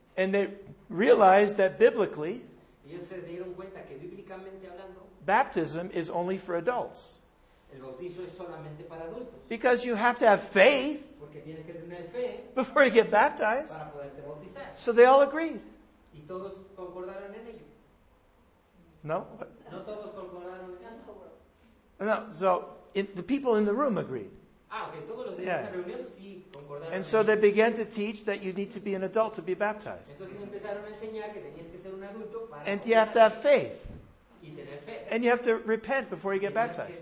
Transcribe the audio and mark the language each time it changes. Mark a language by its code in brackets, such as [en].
[en] And they realized that biblically, [es] ellos se dieron cuenta que bíblicamente hablando, [en] baptism is only for adults. [es] El bautizo es solamente para adultos. [en] Because you have to have faith, [es] porque tienes que tener fe, [en] before you get baptized. [es] Para poderte bautizar. [en] So they all agreed. [es] Y todos concordaron en ello. No? No todos concordaron en ello. [en] No, so the people in the room agreed. Ah, okay. [es] Todos los de esa reunión, sí, concordaron. [en] And so they began to teach that you need to be an adult to be baptized. [es] Entonces empezaron a enseñar que tenías que ser un adulto para. [en] And you have to have faith. [es] Y tener fe. [en] And you have to repent before you get baptized.